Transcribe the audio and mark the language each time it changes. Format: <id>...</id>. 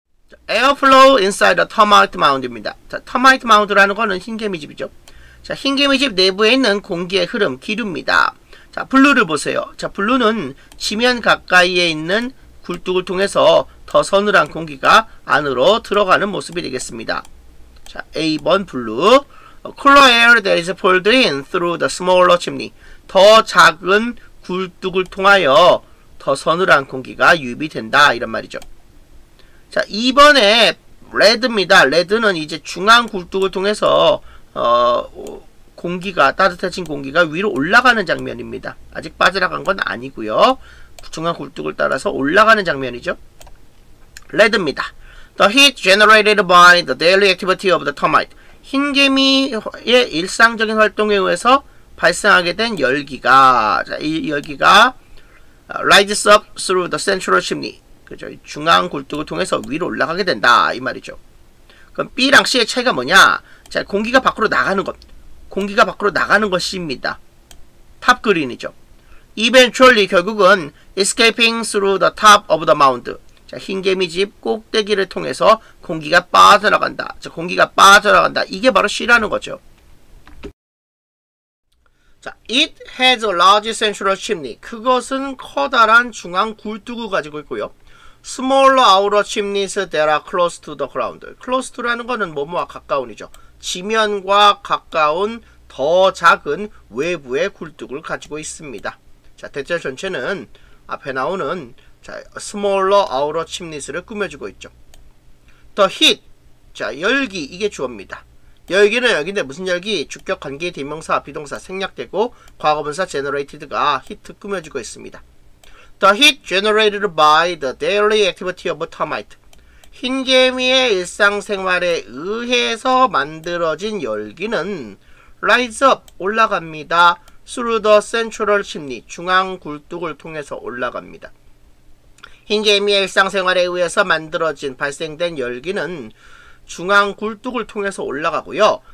<ko>자,</ko> <en>Airflow inside a termite mound</en> <ko>입니다. 자, termite mound라는 거는 흰개미집이죠. 자 흰개미집 내부에 있는 공기의 흐름 기류입니다. 자 블루를 보세요. 자 블루는 지면 가까이에 있는 굴뚝을 통해서 더 서늘한 공기가 안으로 들어가는 모습이 되겠습니다. 자, A번 블루.</ko> <en>Cooler air that is pulled in through the smaller chimney.</en> <ko>더 작은 굴뚝을 통하여 더 서늘한 공기가 유입된다. 이런 말이죠. 자, 2번에 레드입니다. 레드는 이제 중앙 굴뚝을 통해서, 공기가, 따뜻해진 공기가 위로 올라가는 장면입니다. 아직 빠져나간 건 아니고요. 중앙 굴뚝을 따라서 올라가는 장면이죠. 레드입니다.</ko> <en>The heat generated by the daily activity of the termite.</en> <ko>흰개미의 일상적인 활동에 의해서 발생하게 된 열기가, 자, 이 열기가</ko> <en>rises up through the central chimney.</en> <ko>그죠? 중앙 굴뚝을 통해서 위로 올라가게 된다. 이 말이죠. 그럼 B랑 C의 차이가 뭐냐? 자, 공기가 밖으로 나가는 것. 공기가 밖으로 나가는 것입니다. 탑 그린이죠.</ko> <en>Eventually,</en> <ko>결국은</ko> <en>escaping through the top of the mound.</en> <ko>자, 흰개미 집 꼭대기를 통해서 공기가 빠져나간다. 자, 공기가 빠져나간다. 이게 바로 C라는 거죠.</ko> <en>자, it has a large central chimney.</en> <ko>그것은 커다란 중앙 굴뚝을 가지고 있고요.</ko> <en>Smaller outer chimneys that are close to the ground.</en> <ko>Close to라는 거는 뭐뭐와 가까운이죠. 지면과 가까운 더 작은 외부의 굴뚝을 가지고 있습니다. 자, 대체 전체는 앞에 나오는 자, smaller outer chimneys를 꾸며주고 있죠. The heat. 자, 열기. 이게 주어입니다. 열기는 열기인데 무슨 열기? 주격 관계 대명사 비동사 생략되고 과거분사 generated가 heat 꾸며주고 있습니다.</ko> <en>The heat generated by the daily activity of termite.</en> <ko>흰개미의 일상생활에 의해서 만들어진 열기는 rise up 올라갑니다.</ko> <en>Through the central chimney</en> <ko>중앙 굴뚝을 통해서 올라갑니다. 흰개미의 일상생활에 의해서 만들어진 발생된 열기는 중앙 굴뚝을 통해서 올라가고요.</ko>